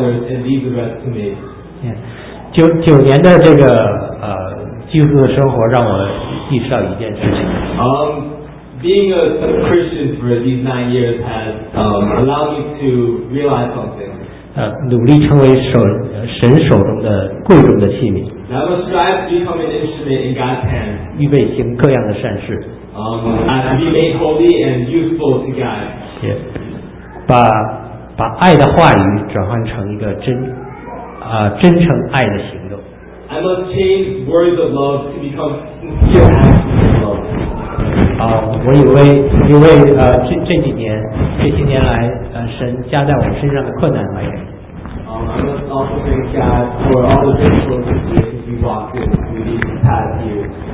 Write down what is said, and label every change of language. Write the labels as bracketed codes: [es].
[zh] 九年的这个基督徒的生活让我意识到一件事情。 [en] Being a Christian for these 9 years has allowed me to realize something. [zh] 努力成为神手中的贵重的器皿。 [en] I will strive to become an instrument in God's hand. [zh] 预备行各样的善事。 [en] To be made holy and useful to God. Yeah. [zh] 把爱的话语转换成一个真诚爱的行动。 [en] I must change words of love to become sincere acts of love. [zh] 我以为这几年这些年来神加在我身上的困难来源。 [en] I must also thank God for all the difficult situations we walked in through these past years.